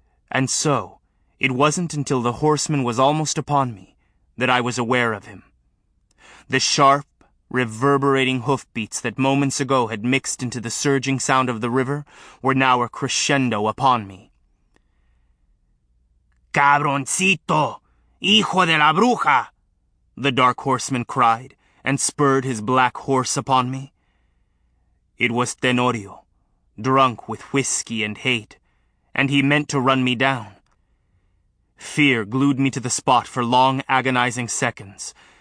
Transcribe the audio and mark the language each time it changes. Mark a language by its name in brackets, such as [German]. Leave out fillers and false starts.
[English] And so, it wasn't until the horseman was almost upon me that I was aware of him. The sharp, reverberating hoofbeats that moments ago had mixed into the surging sound of the river were now a crescendo upon me. [Spanish] Cabroncito, hijo de la bruja, [English] the dark horseman cried, and spurred his black horse upon me. It was Tenorio, drunk with whiskey and hate, and he meant to run me down. Fear glued me to the spot for long, agonizing seconds.